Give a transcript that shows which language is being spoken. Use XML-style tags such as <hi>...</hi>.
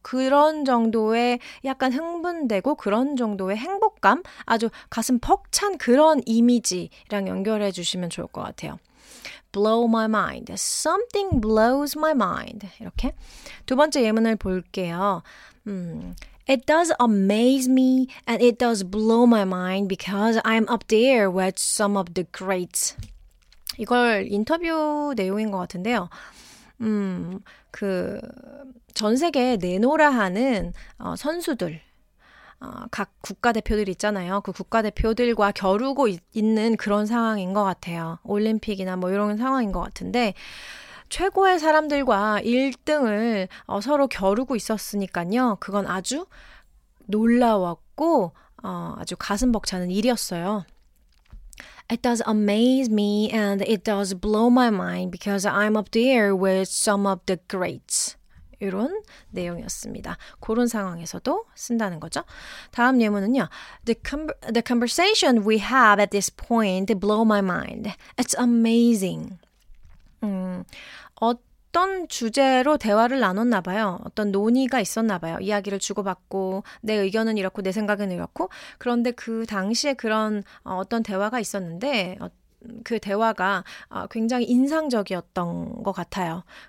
<ko>그런 정도의 약간 흥분되고 그런 정도의 행복감, 아주 가슴 벅찬 그런 이미지랑 연결해 주시면 좋을 것 같아요.</ko> <en>Blow my mind. Something blows my mind.</en> <ko>이렇게 두 번째 예문을 볼게요.</ko> <en>It does amaze me and it does blow my mind because I'm up there with some of the greats.</en> <ko>이걸 인터뷰 내용인 것 같은데요. 그 전 세계 내노라 하는 선수들. 각 국가대표들 있잖아요. 그 국가대표들과 겨루고 있는 그런 상황인 것 같아요. 올림픽이나 뭐 이런 상황인 것 같은데 최고의 사람들과 1등을 서로 겨루고 있었으니까요. 그건 아주 놀라웠고 아주 가슴 벅차는 일이었어요.</ko> <en>It does amaze me and it does blow my mind because I'm up there with some of the greats.</en> <ko>이런 내용이었습니다. 그런 상황에서도 쓴다는 거죠. 다음 예문은요.</ko> <en>The conversation we have at this point blow my mind. It's amazing.</en> <ko>어떤 주제로 대화를 나눴나 봐요. 어떤 논의가 있었나 봐요. 이야기를 주고받고 내 의견은 이렇고 내 생각은 이렇고 그런데 그 당시에 그런 어떤 대화가 있었는데 그 대화가 굉장히 인상적이었던 것 같아요.</ko>